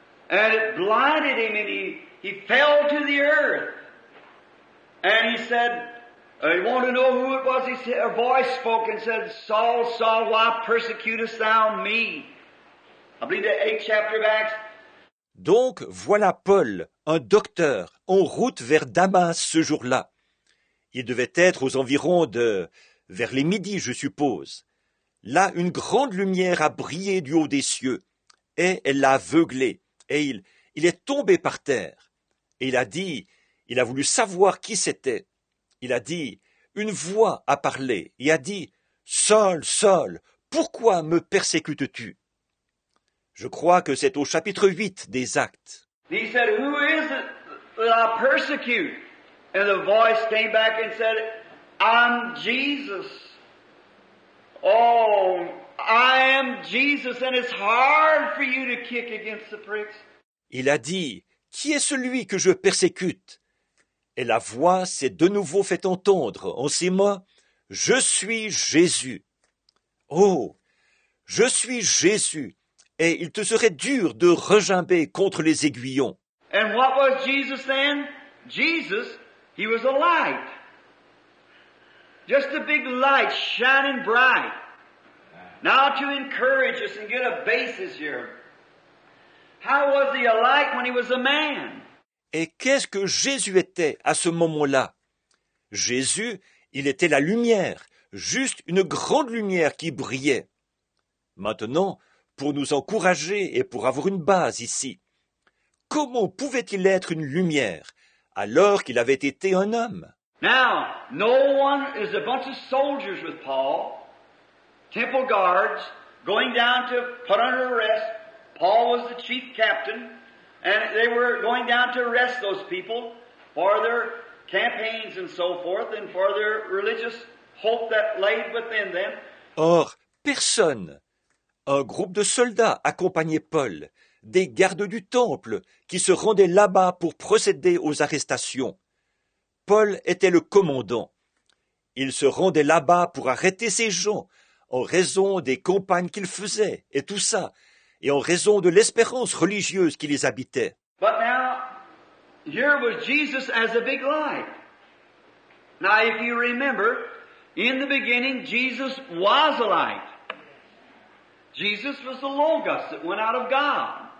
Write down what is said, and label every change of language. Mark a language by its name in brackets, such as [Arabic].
[English] And it blinded him, and he fell to the earth. And he said, he wanted to know who it was. He said, a voice spoke and said, Saul, Saul, why persecutest thou me? I believe the 8th chapter of Acts. [French] Donc voilà Paul, un docteur, en route vers Damas ce jour-là. Il devait être aux environs de vers les midis, je suppose. Là, une grande lumière a brillé du haut des cieux, et elle l'a aveuglé, et il est tombé par terre. Et il a voulu savoir qui c'était. Il a dit, une voix a parlé, et a dit, « Saul, Saul, pourquoi me persécutes-tu ? » Je crois que c'est au chapitre 8 des Actes. [English] He said, who is it that I persecute? And the voice came back and said, I'm Jesus. Oh, I am Jesus, and it's hard for you to kick against the pricks. [French] Il a dit, qui est celui que je persécute? Et la voix s'est de nouveau fait entendre en ces mots, je suis Jésus. Oh, je suis Jésus. Et il te serait dur de regimber contre les aiguillons. [English] And what was Jesus then? Jesus, he was a light. Just a big light shining bright. Now to encourage us and get a basis here. How was he a light when he was a man? [French] Et qu'est-ce que Jésus était à ce moment-là? Jésus, il était la lumière, juste une grande lumière qui brillait. Maintenant, pour nous encourager et pour avoir une base ici. Comment pouvait-il être une lumière alors qu'il avait été un homme? [English] Now, no one is a bunch of soldiers with Paul, temple guards, going down to put under arrest. Paul was the chief captain, and they were going down to arrest those people for their campaigns and so forth, and for their religious hope that lay within them. [French] Or, personne. Un groupe de soldats accompagnait Paul, des gardes du temple qui se rendaient là-bas pour procéder aux arrestations. Paul était le commandant. Il se rendait là-bas pour arrêter ces gens en raison des campagnes qu'ils faisaient et tout ça, et en raison de l'espérance religieuse qui les habitait. [English] But now, here was Jesus as a big light. Now, if you remember, in the beginning, Jesus was a light. Jesus was the Logos that went out of God.